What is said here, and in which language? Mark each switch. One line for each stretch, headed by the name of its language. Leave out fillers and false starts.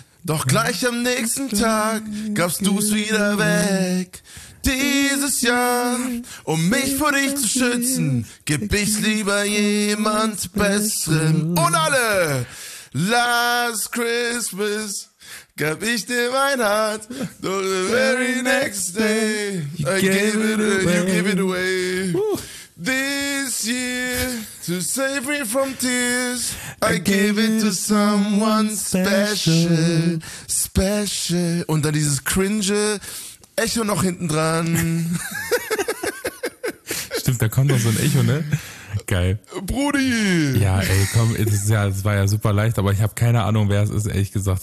German: Doch gleich am nächsten Tag gabst du's wieder weg. Dieses Jahr, um mich vor dich zu schützen, geb ich's lieber jemand Besseren. Und alle!
English: Last Christmas
German: gab ich dir mein Herz. Doch
English: the very next day, I gave it away. This year, to save me from tears, I gave it to someone special.
German: Und dann dieses cringe Echo noch hinten dran. Stimmt, da kommt noch so ein Echo, ne? Geil. Brudi! Ja, ey, komm, es war ja super leicht, aber ich habe keine Ahnung, wer es ist, ehrlich gesagt.